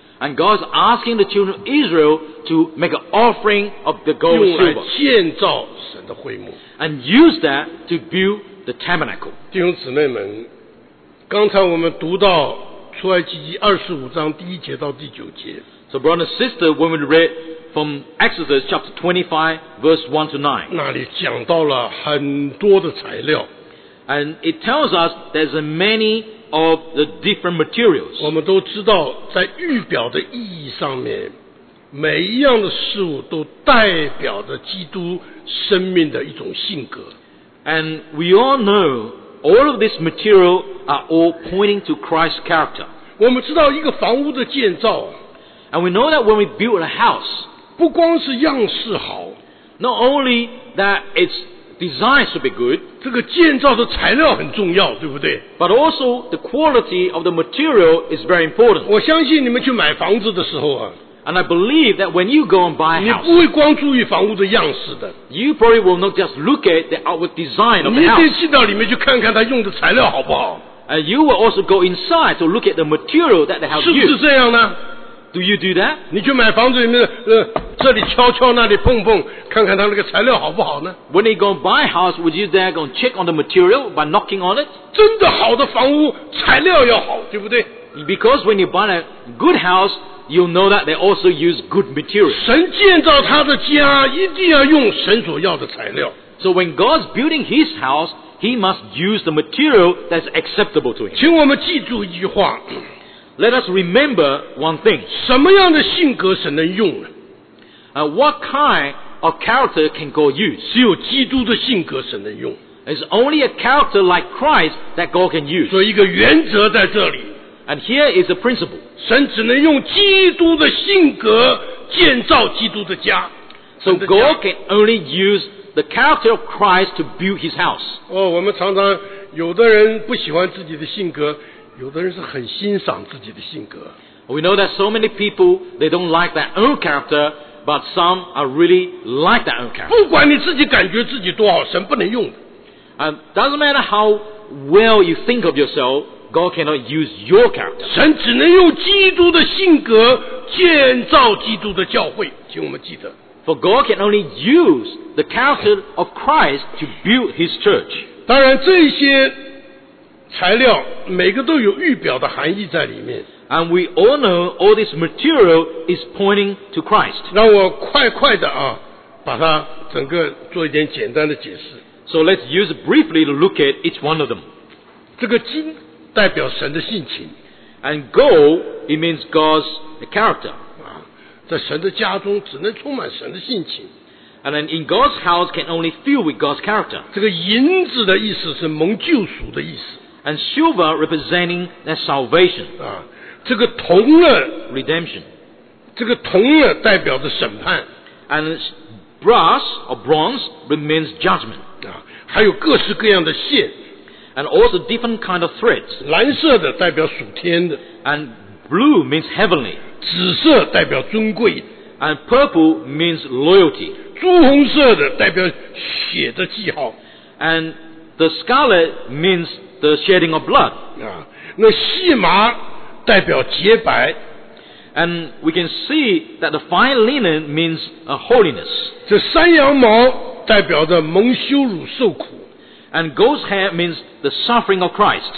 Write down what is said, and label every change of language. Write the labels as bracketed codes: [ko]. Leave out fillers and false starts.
[en] And God is asking the children of Israel to make an offering of the gold and silver. [zh] 用来建造神的会幕。 [en] And use that to build the tabernacle. [zh] 弟兄姊妹们，刚才我们读到出埃及记25章第一节到第九节。 [en] So brother and sister, when we read from Exodus chapter 25, verse 1 to 9. [zh] 那里讲到了很多的材料。 [en] And it tells us there's many of the different materials. [zh] 我们都知道，在预表的意义上面，每一样的事物都代表着基督生命的一种性格。 [en] And we all know all of this material are all pointing to Christ's character. And we know that when we build a house, [zh] 不光是样式好, [en] not only that its design should be good, [zh] 这个建造的材料很重要, 对不对? [en] But also the quality of the material is very important. [zh] 我相信你们去买房子的时候啊, [en] and I believe that when you go and buy a house, [zh] 你不会光注意房屋的样式的, [en] you probably will not just look at the outward design of the house. [zh] 你一定进到里面去看看它用的材料好不好? [en] And you will also go inside to look at the material that the house [zh] used. 是不是这样呢? [en] Do you do that? [zh] 你去买房子里面的这里敲敲那里碰碰看看它那个材料好不好呢 [en] When you go buy a house, would you there go check on the material by knocking on it? [zh] 真的好的房屋材料要好对不对 [en] Because when you buy a good house, you'll know that they also use good material. [zh] 神建造他的家一定要用神所要的材料 [en] So when God's building his house, he must use the material that's acceptable to him. [zh] 请我们记住一句话 [en] Let us remember one thing. [zh] 什么样的性格神能用呢 [en] What kind of character can God use? [zh] 只有基督的性格神能用。 [en] It's only a character like Christ that God can use. [zh] 所以一个原则在这里。 [en] And here is a principle. [zh] 神只能用基督的性格建造基督的家。 [en] So God can only use the character of Christ to build his house. [zh] 哦，我们常常有的人不喜欢自己的性格，有的人是很欣赏自己的性格。 [en] We know that so many people, they don't like their own character,But some are really like that own character. [zh] 不管你自己感觉自己多好，神不能用的。 [en] And doesn't matter how well you think of yourself, God cannot use your character. [zh] 神只能用基督的性格建造基督的教会，请我们记得。 [en] For God can only use the character of Christ to build His church. [zh] 当然，这些材料每个都有预表的含义在里面。 [en] And we all know all this material is pointing to Christ. [zh] 让我快快的啊，把它整个做一点简单的解释。 [en] So let's use briefly to look at each one of them. [zh] 这个金代表神的性情。 [en] And gold, it means God's character. [zh] 啊，在神的家中只能充满神的性情。 [en] And then in God's house can only fill with God's character. [zh] 这个银子的意思是蒙救赎的意思。 [en] And silver representing that salvation. [zh] 啊。这个铜呢 [en] redemption [zh] 这个铜呢代表着审判 [en] and brass or bronze means judgment [zh] 还有各式各样的线 [en] and also different kind of threads [zh] 蓝色的代表属天的 [en] and blue means heavenly [zh] 紫色代表尊贵 [en] and purple means loyalty [zh] 朱红色的代表血的记号 [en] and the scarlet means the shedding of blood [zh] 那细麻代表洁白 [en] and we can see that the fine linen means a holiness [zh] 这山羊毛代表着蒙羞辱受苦 [en] and goat's hair means the suffering of Christ